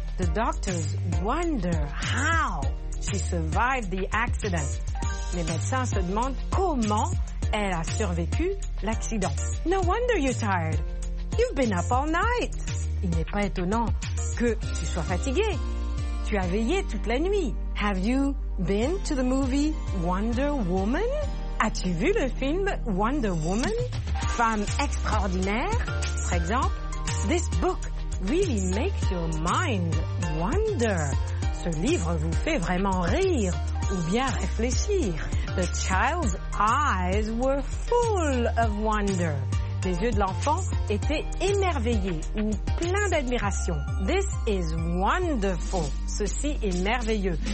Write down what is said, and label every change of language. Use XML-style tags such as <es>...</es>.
<en>The doctors wonder how she survived the accident.</en> <fr>Les médecins se demandent comment elle a survécu l'accident.</fr> <en>No wonder you're tired. You've been up all night.</en> <fr>Il n'est pas étonnant que tu sois fatigué. Tu as veillé toute la nuit.</fr> <en>Have you been to the movie Wonder Woman?</en> <fr>As-tu vu le film Wonder Woman? Femme extraordinaire?</fr> <en>For example, this book really makes your mind wonder.</en> <fr>Ce livre vous fait vraiment rire ou bien réfléchir.</fr> <en>The child's eyes were full of wonder.</en> <fr>Les yeux de l'enfant étaient émerveillés ou pleins d'admiration.</fr> <en>This is wonderful.</en> <fr>Ceci est merveilleux.</fr>